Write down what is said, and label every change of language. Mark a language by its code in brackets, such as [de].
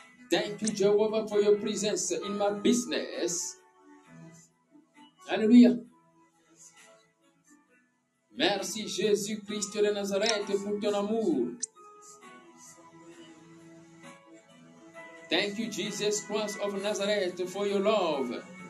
[en] Thank you, Jehovah, for your presence in my business. Alléluia. [fr] Merci, Jésus-Christ de Nazareth, pour ton amour. [en] Thank you, Jesus Christ of Nazareth, for your love.